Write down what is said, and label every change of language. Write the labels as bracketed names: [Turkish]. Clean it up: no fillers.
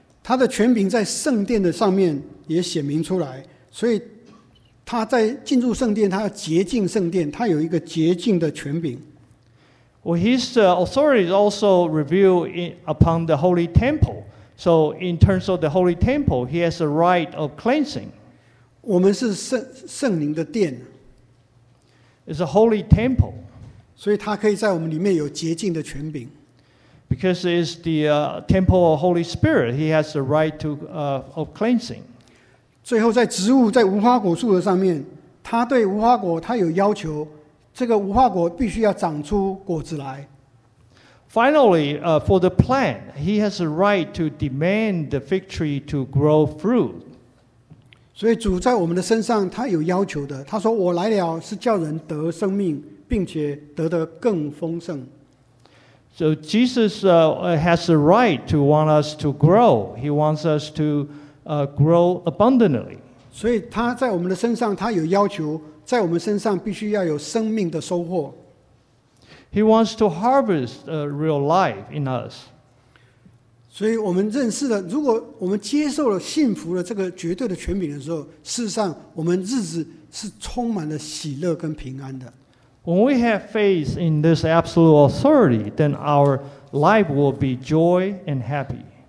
[Chinese] 他的权柄在圣殿的上面也显明出来，所以他在进入圣殿，他要洁净圣殿，他有一个洁净的权柄。 [English] Well, his authority is also revealed upon the holy temple. So, in terms of the holy temple, he has a right of cleansing. [Chinese] 我们是圣灵的殿。 [English] It's a holy temple. [Chinese] 所以他可以在我们里面有洁净的权柄。 [English] Because it's the temple of Holy Spirit, he has the right to of cleansing. [Chinese] 最后，在植物在无花果树的上面，他对无花果他有要求。这个无花果必须要长出果子来。 [English] Finally, for the plant, he has a right to demand the fig tree to grow fruit. [Chinese] 所以主在我们的身上，他有要求的。他说：“我来了，是叫人得生命，并且得的更丰盛。” [English] So Jesus has a right to want us to grow. He wants us to grow abundantly. [Chinese] 所以他在我们的身上，他有要求。在我们身上必须要有生命的收获。 [English] He wants to harvest a real life in us. [Chinese] 所以我们认识了，如果我们接受了信服了这个绝对的权柄的时候，事实上我们日子是充满了喜乐跟平安的。 [English] When we have faith in this absolute authority, then our life will be joy and happy.